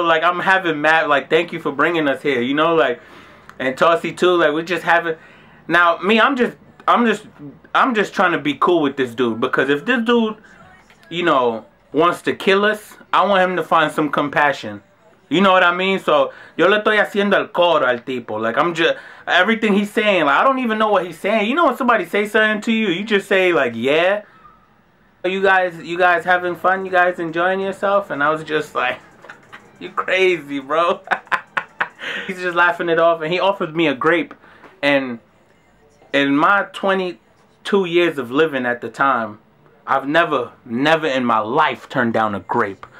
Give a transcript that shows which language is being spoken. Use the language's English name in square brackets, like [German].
[English] Like, I'm having mad. Like, thank you for bringing us here. You know, like, and TAUSEE too. Like, we're just having." Now, me, I'm just trying to be cool with this dude, because if this dude, you know, wants to kill us, I want him to find some compassion. You know what I mean? [Spanish] So, yo le estoy haciendo el coro al tipo. [English] Like, I'm just, everything he's saying, like, I don't even know what he's saying. You know when somebody say something to you, you just say, like, yeah? Are you guys having fun? You guys enjoying yourself? And I was just like, you crazy, bro. He's just laughing it off. And he offered me a grape. And in my 22 years of living at the time, I've never in my life turned down a grape.